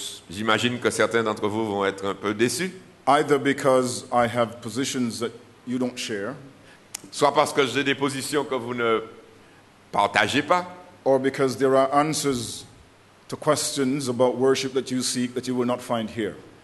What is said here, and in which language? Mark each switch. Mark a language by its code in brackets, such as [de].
[fr] J'imagine que certains d'entre vous vont être un peu déçus. [en] Either because I have positions that you don't share. [fr] Soit parce que j'ai des positions que vous ne partagez pas. [en] Or because there are answers to questions about worship that you seek that you will not find here.